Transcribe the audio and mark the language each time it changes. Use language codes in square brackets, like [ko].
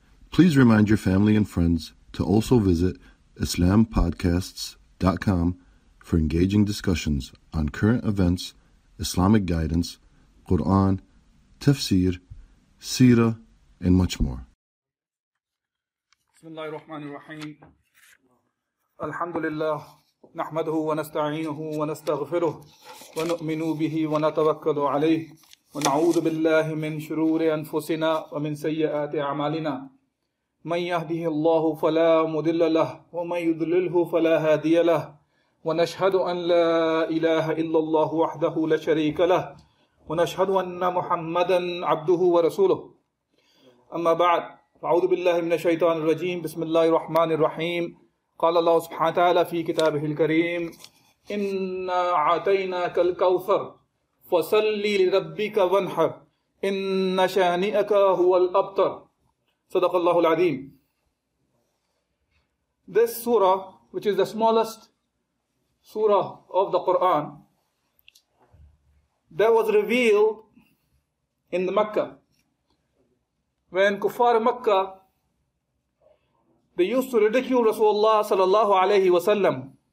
[en] Please remind your family and friends to also visit IslamPodcasts.com for engaging discussions on current events, Islamic guidance, Quran, tafsir, seerah, and much more. [ar] بسم الله الرحمن الرحيم الحمد لله نحمده ونستعينه ونستغفره ونؤمن به ونتوكل عليه ونعوذ بالله من شرور أنفسنا ومن سيئات أعمالنا من يهده الله فلا مضل له ومن يضلله فلا هادي له ونشهد أن لا إله إلا الله وحده لا شريك له ونشهد أن محمدا عبده ورسوله أما بعد أعوذ بالله من الشيطان الرجيم بسم الله الرحمن الرحيم قال الله سبحانه وتعالى في كتابه الكريم إنا عتيناك الكوثر فصلي لربك وانحر إن شانئك هو الأبتر صدق الله العظيم. [en] This surah, which is the smallest surah of the Quran, that was revealed in the Mecca. When Kuffar Mecca, they used to ridicule Rasulullah sallallahu alayhi wa sallam.